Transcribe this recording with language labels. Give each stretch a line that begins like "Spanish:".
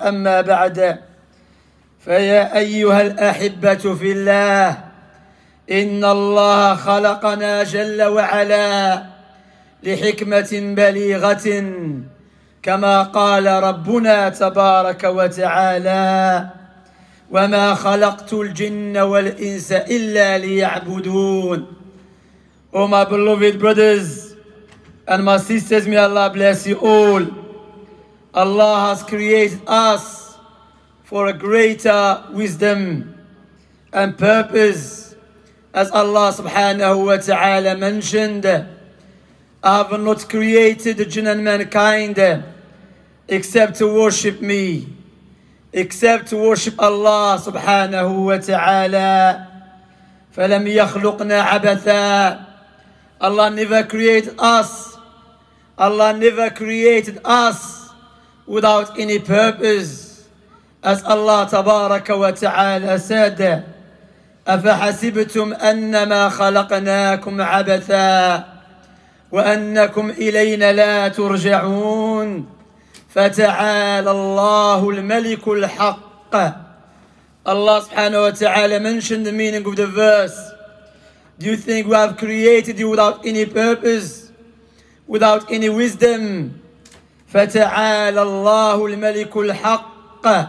Arabic: أما بعد، فيا أيها الأحبة في الله، إن الله خلقنا جل وعلا لحكمة بليغة، كما قال ربنا تبارك وتعالى: وما خلقت الجن والإنس إلا ليعبدون.
English: Oh my beloved brothers and my sisters, may Allah bless you all. Allah has created us for a greater wisdom and purpose. As Allah subhanahu wa ta'ala mentioned, I have not created the jinn and mankind except to worship me, except to worship Allah subhanahu wa ta'ala.
Arabic: فَلَمْ يَخْلُقْنَا عَبَثًا.
English: Allah never created us. Allah never created us without any purpose. As Allah tabaraka wa ta'ala said,
Arabic: أَفَحَسِبْتُمْ أَنَّمَا خَلَقْنَاكُمْ عَبَثًا وَأَنَّكُمْ إِلَيْنَا لَا تُرْجَعُونَ. فتعالى الله الملك الحق.
English: Allah subhanahu wa ta'ala mentioned the meaning of the verse. Do you think we have created you without any purpose, without any wisdom?
Arabic: فتعالى الله الملك الحق.